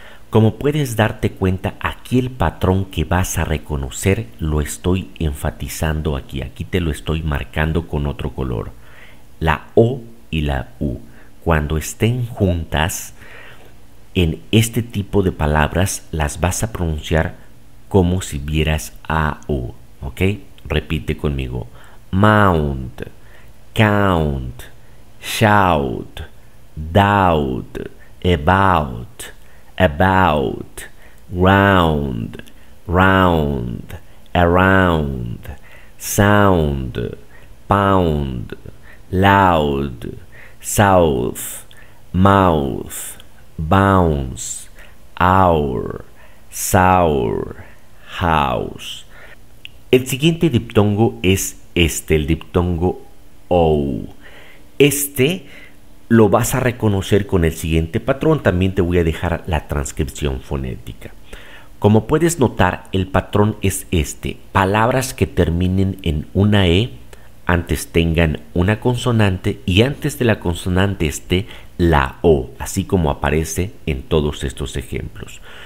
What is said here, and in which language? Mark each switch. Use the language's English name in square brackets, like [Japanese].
[Spanish] Como puedes darte cuenta, aquí el patrón que vas a reconocer lo estoy enfatizando aquí. Aquí te lo estoy marcando con otro color. La O y la U. Cuando estén juntas, en este tipo de palabras las vas a pronunciar como si vieras a U. ¿Ok? Repite conmigo. [English] Mount, count, shout, doubt, about, about, round, round, around, sound, pound, loud, south, mouth, bounce, hour, sour, house. [Spanish] El siguiente diptongo es este, el diptongo O. Este lo vas a reconocer con el siguiente patrón. También te voy a dejar la transcripción fonética. Como puedes notar, el patrón es este. Palabras que terminen en una E, antes tengan una consonante y antes de la consonante esté la O, así como aparece en todos estos ejemplos.